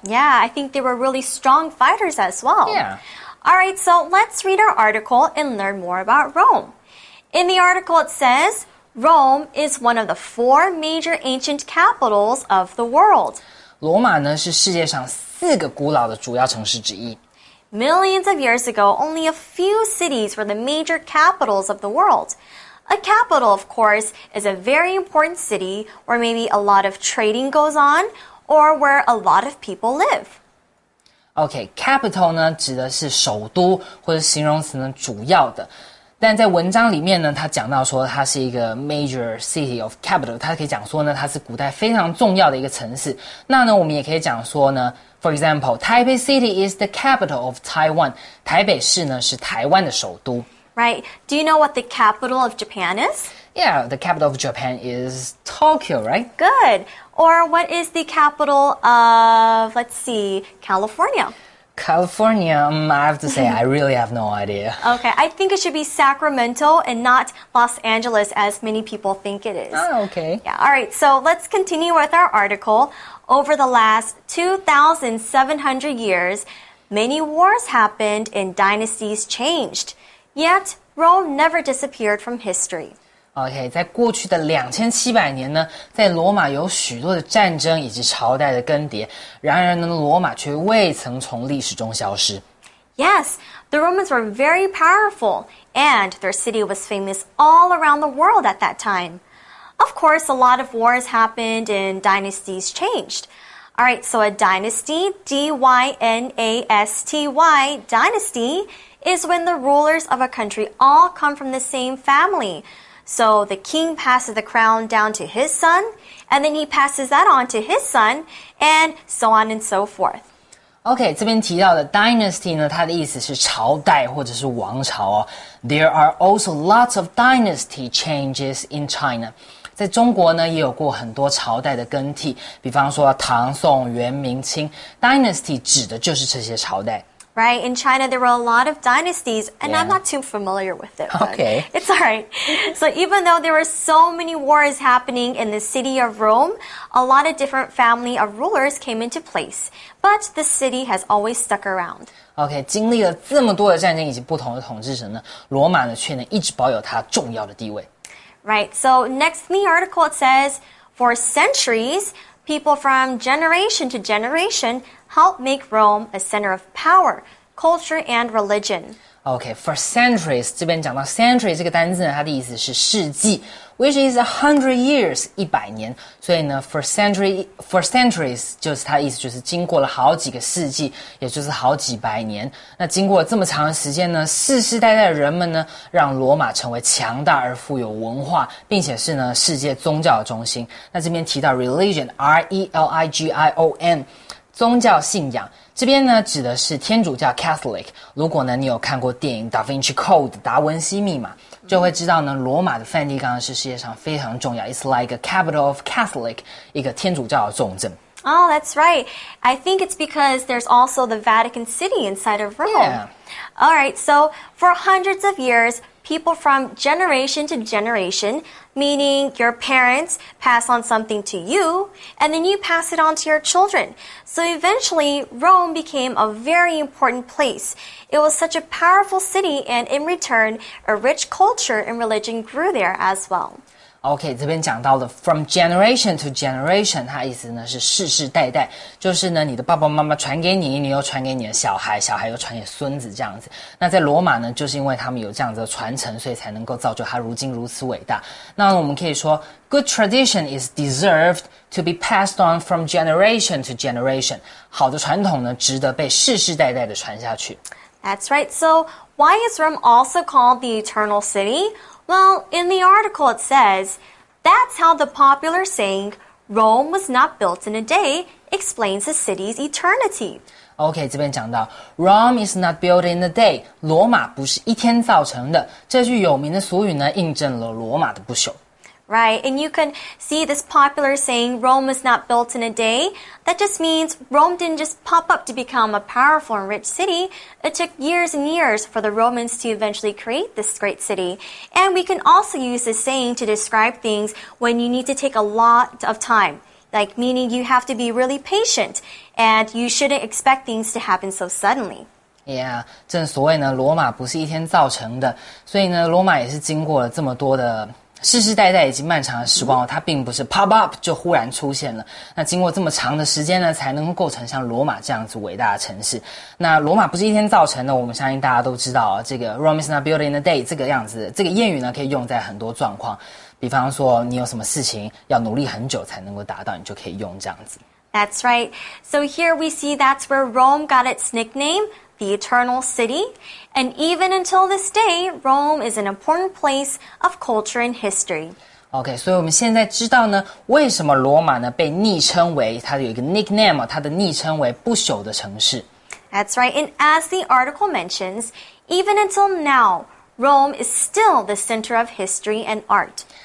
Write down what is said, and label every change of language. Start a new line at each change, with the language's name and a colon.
English: Yeah, I think they were really strong fighters as well. Yeah. All right, so let's read our article and learn more about Rome. In the article, it says, Rome is one of the four major ancient capitals of the world.
Chinese: 罗马呢是世界上四个古老的主要城市之一。
English: Millions of years ago, only a few cities were the major capitals of the world. A capital, of course, is a very important city where maybe a lot of trading goes on or where a lot of people live.
Chinese: Okay, capital 呢指的是首都或者形容词呢主要的。但在文章里面呢他讲到说它是一个 major city of capital, 它可以讲说呢它是古代非常重要的一个城市。那呢我们也可以讲说呢 for example, Taipei City is the capital of Taiwan, 台北市呢是台湾的首都。
English: Right, do you know what the capital of Japan is? Yeah, the capital of Japan is Tokyo, right? Good. Or what is the capital of, let's see, California? California, I have to say, I really have no idea. Okay, I think it should be Sacramento and not Los Angeles as many people think it is. Oh, okay. Yeah, all right, so let's continue with our article. Over the last 2,700 years, many wars happened and dynasties changed. Yet, Rome never disappeared from history.
Chinese: Okay, 在过去的2700年呢，在罗马有许多的战争以及朝代的更迭，然而呢，罗马却未曾从历史中消失。
English: Yes, the Romans were very powerful, and their city was famous all around the world at that time. Of course, a lot of wars happened and dynasties changed. All right, so a dynasty, D-Y-N-A-S-T-Y, dynasty,is when the rulers of a country all come from the same family. So the king passes the crown down to his son, and then he passes that on to his son, and so on and so forth.
Chinese: Okay, 这边提到的 dynasty 呢，它的意思是朝代或者是王朝哦。
English: There are also lots of dynasty changes in China.
Chinese: 在中国呢，也有过很多朝代的更替，比方说唐、宋、元、明清。 Dynasty 指的就是这些朝代。
English: Right, in China, there were a lot of dynasties, and yeah. I'm not too familiar with it. Okay. It's all right. So even though there were so many wars happening in the city of Rome, a lot of different family of rulers came into place. But the city has always stuck around.
Chinese: Okay, 经历了这么多的战争以及不同的统治者呢，罗马呢却能一直保有它重要的地位。
English: Right, so next in the article it says, for centuries, people from generation to generation helped make Rome a center of power, culture, and religion.
Chinese: Okay, for centuries, 这边讲到 century 这个单字呢，它的意思是世纪 which is 100 years, 一百年。所以呢 for centuries, 就是它的意思就是经过了好几个世纪，也就是好几百年。那经过了这么长的时间呢，世世代代的人们呢，让罗马成为强大而富有文化，并且是呢世界宗教的中心。那这边提到 religion, R-E-L-I-G-I-O-N,宗教信仰，这边呢指的是天主教 Catholic。如果呢你有看过电影《达芬奇 Code》达文西密码，就会知道呢罗马的梵蒂冈是世界上非常重要。
English: It's like a capital of Catholic, 一个天主教的重镇。 Oh, that's right. I think it's because there's also the Vatican City inside of Rome. Yeah. All right. So for hundreds of years, people from generation to generation, meaning your parents pass on something to you, and then you pass it on to your children. So eventually, Rome became a very important place. It was such a powerful city, and in return, a rich culture and religion grew there as well.
Chinese: OK, 这边讲到了 from generation to generation, 它意思呢是世世代代，就是呢你的爸爸妈妈传给你，你又传给你的小孩，小孩又传给孙子这样子。那在罗马呢，就是因为他们有这样子的传承，所以才能够造就他如今如此伟大。
English: 那我们可以说 good tradition is deserved to be passed on from generation to generation, 好的传统呢值得被世世代代的传下去。 That's right. So why is Rome also called the Eternal City? Well, in the article it says, that's how the popular saying, Rome was not built in a day, explains the city's eternity.
Chinese: OK, 这边讲到 Rome is not built in a day, 罗马不是一天造成的。这句有名的俗语呢，印证了罗马的不朽。
English: Right, and you can see this popular saying, Rome was not built in a day. That just means Rome didn't just pop up to become a powerful and rich city. It took years and years for the Romans to eventually create this great city. And we can also use this saying to describe things when you need to take a lot of time, like meaning you have to be really patient and you shouldn't expect things to happen so suddenly.
Chinese: Yeah, 正所谓呢，罗马不是一天造成的，所以呢，罗马也是经过了这么多的世世代代以及漫长的时光，它并不是 pop up 就忽然出现了。那经过这么长的时间呢，才能够构成像罗马这样子伟大的城市。那罗马不是一天造成的，我们相信大家都知道啊。这个 Rome is not built in a day 这个样子，这个谚语呢，可以用在很多状况，比方说你有什么事情要努力很久才能够达到，你就可以用这样子。
English: That's right. So here we see that's where Rome got its nickname. The Eternal City, and even until this day, Rome is an important place of culture and history.
Chinese: Okay, 所以我们现在知道呢，为什么罗马呢被昵称为它有一个 nickname， 它的昵称为不朽的城市。
English: That's right. And as the article mentions, even until now, Rome is still the center of history and art.